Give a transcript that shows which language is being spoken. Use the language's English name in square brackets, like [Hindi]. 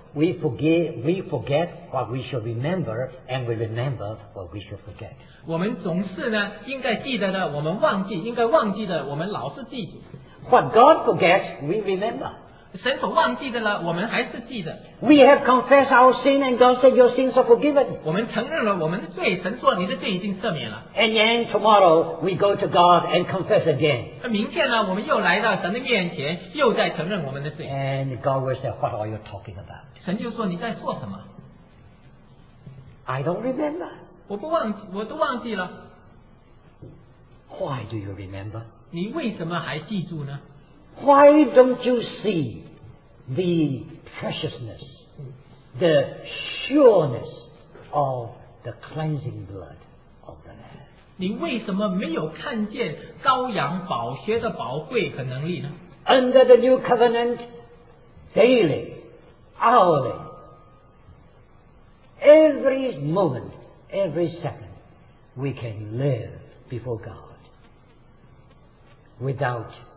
[English] We forget what we should remember, and we remember what we should forget. [Chinese] 我们总是呢，应该记得的，我们忘记；应该忘记的，我们老是记住。 [English] What God forgets, we remember. [Chinese] 神所忘记的呢，我们还是记得。 [English] We have confessed our sin, and God said, "Your sins are forgiven." [Chinese] 我们承认了我们的罪，神说你的罪已经赦免了。 [English] And then tomorrow we go to God and confess again. [Chinese] 明天呢，我们又来到神的面前，又在承认我们的罪。 [English] And God will say, "What are you talking about?" [Chinese] 神就说你在说什么 [English] ？I don't remember. [Chinese] 我不忘记，我都忘记了。 [English] Why do you remember? [Chinese] 你为什么还记住呢？ [English] Why don't you see the preciousness, the sureness of the cleansing blood of the Lamb? [Chinese] 你为什么没有看见羔羊宝血的宝贵和能力呢？ [English] Under the new covenant, daily, hourly, every moment, every second, we can live before God without.